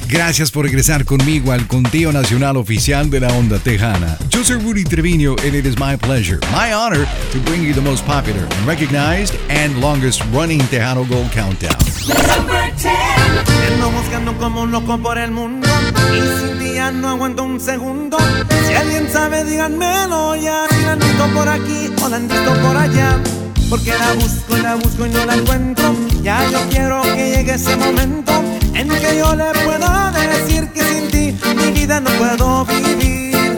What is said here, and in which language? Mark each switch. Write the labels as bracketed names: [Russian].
[Spanish] Gracias por regresar conmigo al conteo nacional oficial de la onda tejana. Yo soy [English] Rudy Treviño, and it is my pleasure, my honor, to bring you the most popular, recognized, and longest running Tejano Gold Countdown. Number 10. [Spanish] Ando buscando como un loco por el mundo, y sin ti ya no aguanto un segundo. Si alguien sabe, díganmelo ya. Si la necesito por aquí, o la necesito por allá. Porque la busco y no la encuentro. Ya yo quiero que llegue ese momento en que yo le pueda decir que sin ti mi vida no puedo vivir.